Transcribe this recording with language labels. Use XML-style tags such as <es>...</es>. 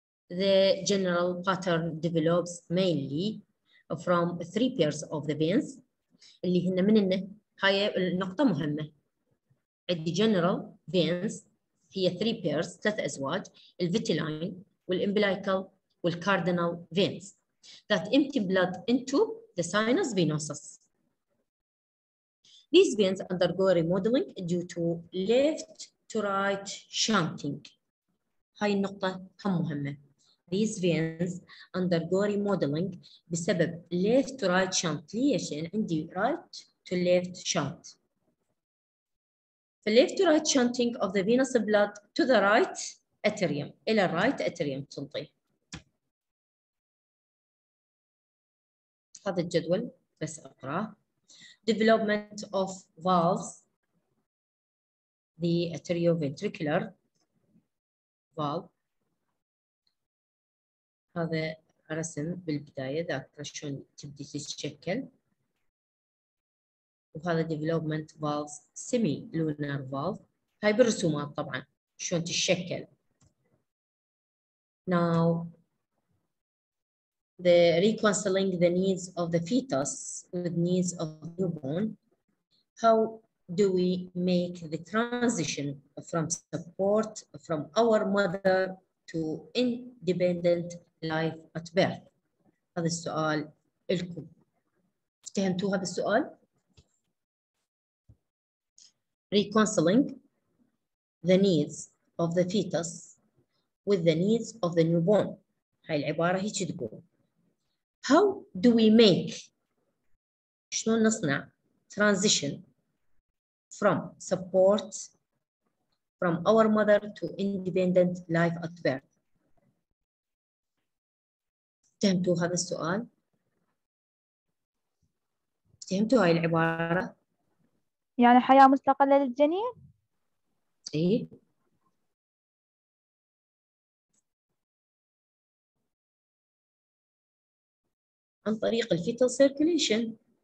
<en>The general pattern develops mainly from three pairs of the veins.</en> <ar>اللي هن من انه هاي النقطة مهمة.</ar> <en>The general veins هي three pairs</en> <ar>ثلاث ازواج الفيتيلاين والامبليكال والكاردينال</ar> <en>veins that empty blood into the sinus venosus. These veins undergo remodeling due to left to right shunting.</en> <ar>هاي النقطة كم مهمة.</ar> <en>These veins undergo remodeling بسبب left to right shunt.</en> <ar>ليش؟ يعني عندي</ar> <en>right to left shunt. The left to right shunting of the venous blood to the right atrium.</en> <ar>إلى right atrium تنطي. هذا الجدول بس أقرأه.</ar> <en>Development of valves, the atrioventricular valve.</en> <ar>هذا رسم بالبداية ذاكرة شلون تبدي تتشكل.</ar> <en>وهذا development valves, semilunar valve.</en> <ar>هاي بالرسومات طبعا شلون تتشكل.</ar> <en>Now the reconciling the needs of the fetus with needs of the newborn. How do we make the transition from support from our mother to independent life at birth?</en> <ar>هذا السؤال لكم. افتهمتوا هذا السؤال؟</ar> <en>Reconciling the needs of the fetus with the needs of the newborn.</en> <ar>هاي العبارة هيك تقول.</ar> <en>How do we make,</en> <ar>شلون نصنع</ar> <en>transition from support from our mother to independent life at birth?</en> <ar>افتهمتوا هذا السؤال؟ افتهمتوا هاي العبارة؟ يعني حياة مستقلة للجنين؟ اي عن طريق الفيتال سيركوليشن.</ar>